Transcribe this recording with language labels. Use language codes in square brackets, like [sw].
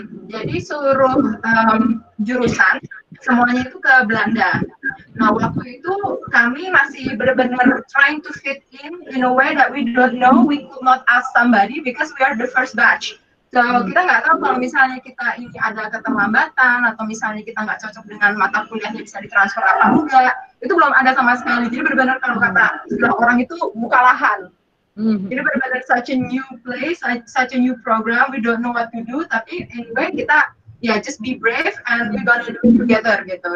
[id] Jadi seluruh jurusan semuanya itu ke Belanda. Nah, waktu itu kami masih benar-benar [en] trying to fit in a way that we don't know, we could not ask somebody because we are the first batch [id] So, kita nggak tahu kalau misalnya kita ini ada keterlambatan atau misalnya kita nggak cocok dengan mata kuliah yang bisa ditransfer apa enggak, itu belum ada sama sekali. Jadi benar-benar kalau kata orang itu buka lahan. Jadi benar-benar [en] such a new place, such a new program, we don't know what to do, [id] tapi anyway kita ya [en] yeah, just be brave and we gonna do it together gitu.